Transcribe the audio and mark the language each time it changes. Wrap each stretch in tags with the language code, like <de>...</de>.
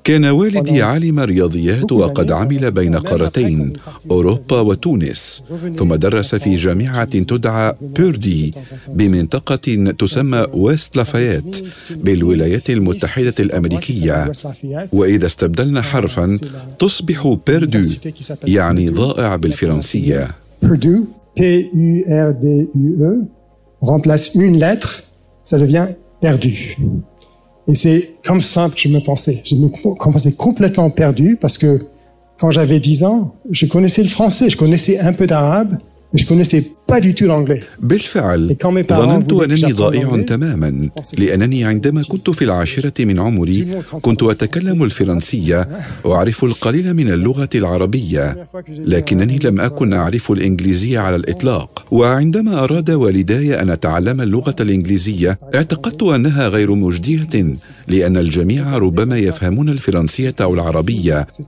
<ar>كان والدي عالم رياضيات وقد عمل بين قارتين أوروبا وتونس ثم درس في جامعة تدعى بيردي بمنطقة تسمى ويست لافايت بالولايات المتحدة الأمريكية وإذا استبدلنا حرفا تصبح بيردو يعني ضائع بالفرنسية.</ar> <fr>بيردو P-U-R-D-U-E remplace une lettre ça devient perdu. Et c'est comme ça que je me pensais complètement perdu parce que quand j'avais 10 ans, je connaissais le français, je connaissais un peu d'arabe, mais je connaissais pas du tout l'anglais.</fr> <ar>بالفعل ظننت أنني ضائع تماما لأنني عندما كنت في العاشرة من عمري كنت أتكلم الفرنسية وأعرف القليل من اللغة العربية لكنني لم أكن أعرف الإنجليزية على الإطلاق. وعندما أراد والداي أن أتعلم اللغة الإنجليزية اعتقدت أنها غير مجدية لأن الجميع ربما يفهمون الفرنسية أو العربية.</ar>